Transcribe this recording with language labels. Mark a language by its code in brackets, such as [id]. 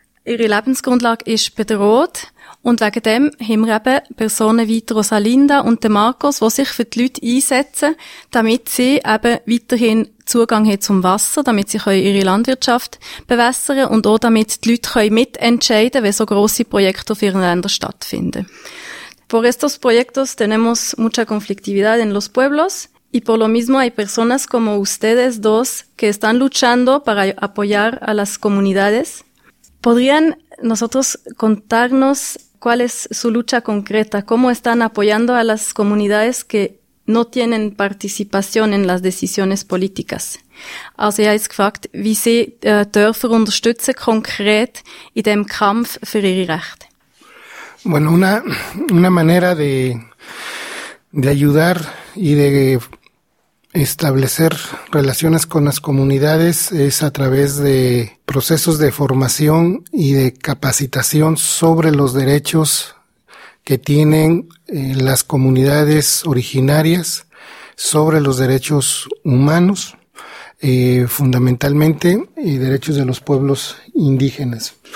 [de] Ihre Lebensgrundlage ist bedroht. Und wegen dem haben wir eben Personen wie Rosalinda und den Markus, die sich für die Leute einsetzen, damit sie eben weiterhin Zugang haben zum Wasser, damit sie ihre Landwirtschaft bewässern können und auch damit die Leute mitentscheiden können, wenn so grosse Projekte auf ihren Ländern stattfinden. [es] Por estos proyectos tenemos mucha conflictividad en los pueblos y por lo mismo hay personas como ustedes dos que están luchando para apoyar a las comunidades. ¿Podrían nosotros contarnos cuál es su lucha concreta? ¿Cómo están apoyando a las comunidades que no tienen participación en las decisiones políticas? [de] Also ich habe jetzt gefragt, wie Sie Dörfer unterstützen konkret in dem Kampf für ihre Rechte. [es] Bueno, una manera de ayudar y de establecer relaciones con las comunidades es a través de procesos de formación y de capacitación sobre los derechos que tienen las comunidades originarias sobre los derechos humanos, fundamentalmente y derechos de los pueblos indígenas.